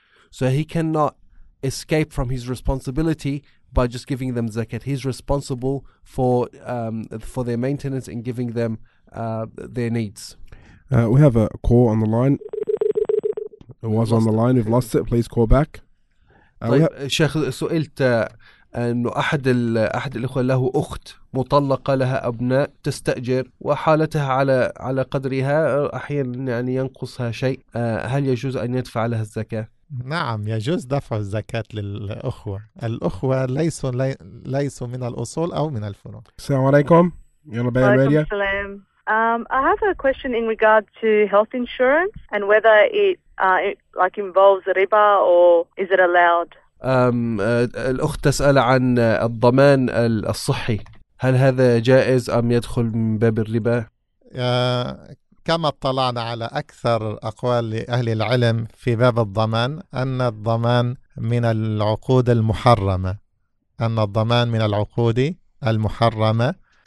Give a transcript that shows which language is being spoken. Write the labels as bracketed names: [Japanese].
[English] So he cannot escape from his responsibility by just giving them zakat. He's responsible for their maintenance and giving them their needs. We have a call on the line. It was on the line. We've lost it. Please call back. [Arabic] طيب شيخ سئلت أنه أحد الإخوة له أخت مطلقة لها أبناء تستأجر وحالتها على قدرها أحيانا يعني ينقصها شيء، هل يجوز أن يدفع لها الزكاة؟ نعم يجوز دفع الزكاة للأخوة، الأخوة ليسوا من الأصول أو من الفروع. السلام عليكم. السلام. [English] I have a question in regard to health insurance and whether it like involves riba or is it allowed. [Arabic] الأخت تسأل عن الضمان الصحي، هل هذا جائز أم يدخل من باب الربا؟ كما اطلعنا على أكثر أقوال لأهل العلم في باب الضمان أن الضمان من العقود المحرمة،